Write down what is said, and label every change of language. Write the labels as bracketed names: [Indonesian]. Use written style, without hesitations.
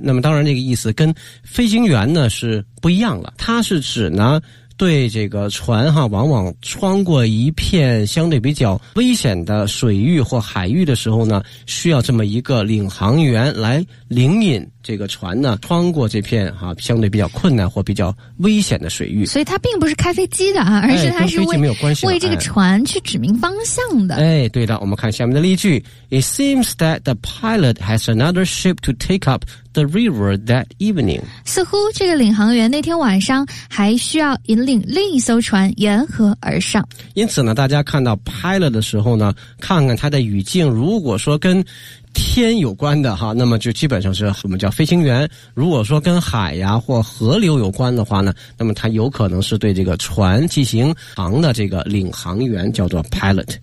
[Chinese] 那么当然这个意思跟飞行员呢是不一样了，它是指呢对这个船哈，往往穿过一片相对比较危险的水域或海域的时候呢，需要这么一个领航员来领引这个船呢穿过这片哈相对比较困难或比较危险的水域。所以它并不是开飞机的啊，而是它是 为这个船去指明方向的。哎，对的。我们看下面的例句， [English] It seems that the pilot has another ship to take up the river that evening， [Chinese] 似乎这个领航员那天晚上还需要引领另一艘船沿河而上。因此呢大家看到 pilot 的时候呢，看看它的语境，如果说跟天有关的哈，那么就基本上是我们叫飞行员。如果说跟海呀或河流有关的话呢，那么它有可能是对这个船进行航的这个领航员，叫做 pilot。